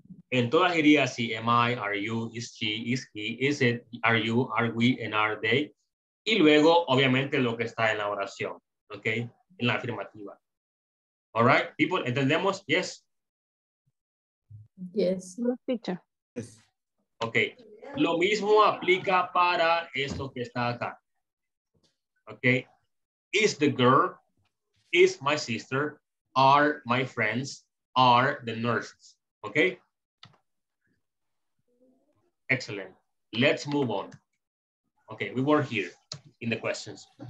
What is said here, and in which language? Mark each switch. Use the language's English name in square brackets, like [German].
[Spanish] En todas iría así, [English] am I, are you, is she, is he, is it, are you, are we, and are they. [Spanish] Y luego, obviamente, lo que está en la oración, ok, en la afirmativa. [English] All right, people, [Spanish] ¿entendemos? [English] Yes. Yes, teacher. Yes. Ok. [Spanish] Lo mismo aplica para esto que está acá. [English] Okay. Is the girl, is my sister, are my friends, are the nurses. Okay. Excellent. Let's move on. Okay, we were here in the questions.